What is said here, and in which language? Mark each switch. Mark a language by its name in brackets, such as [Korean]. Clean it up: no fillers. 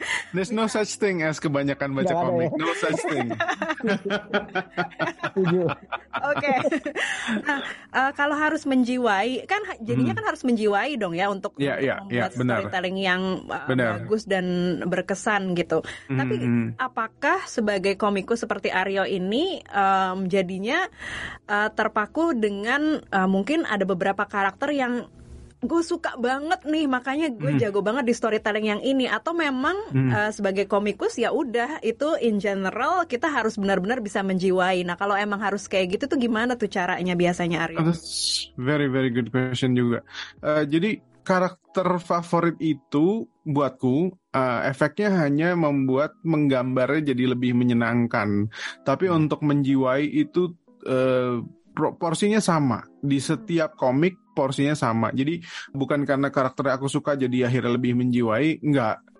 [English] there's no such thing as [Indonesian] kebanyakan baca gak komik ada, ya. [English] No such thing. [Indonesian] Oke. Nah, kalau harus menjiwai kan jadinya kan harus menjiwai dong ya untuk membuat storytelling yang bagus dan berkesan gitu. Tapi apakah sebagai komikus seperti Aryo ini jadinya terpaku dengan mungkin ada beberapa karakter yang gue suka banget nih, makanya gue jago banget di storytelling yang ini, atau memang sebagai komikus ya udah itu [English] in general [Indonesian] kita harus benar-benar bisa menjiwai. Nah kalau emang harus kayak gitu tuh gimana tuh caranya biasanya, Aryo? [English] That's very very good question juga. [Indonesian] Jadi karakter favorit itu buatku efeknya hanya membuat menggambarnya jadi lebih menyenangkan, tapi untuk menjiwai itu porsinya sama di setiap komik. Porsinya sama, jadi bukan karena karakternya aku suka jadi akhirnya lebih menjiwai, enggak.